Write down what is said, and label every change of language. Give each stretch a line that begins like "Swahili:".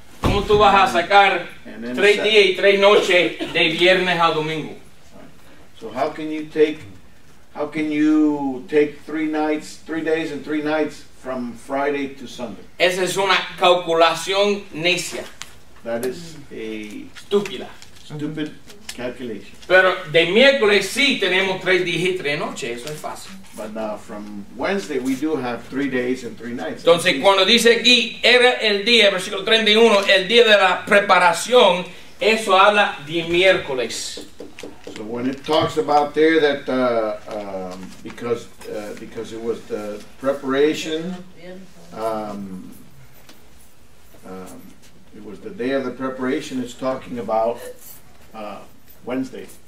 Spanish: ¿Cómo tú vas a sacar 3 días y 3 noches de viernes a domingo?
English: So how can you take 3 nights, 3 days and 3 nights from Friday to Sunday?
Spanish: Esa es una calculación necia.
English: That is a
Spanish: estúpida.
English: Stupid calculation.
Spanish: Pero de miércoles sí tenemos 3 días y 3 noches, eso es fácil.
English: But now from Wednesday we do have 3 days and 3 nights.
Spanish: Entonces cuando dice aquí era el día, versículo 31, el día de la preparación, eso habla de miércoles.
English: So when it talks about there that because it was the preparation, it was the day of the preparation, it's talking about Wednesday.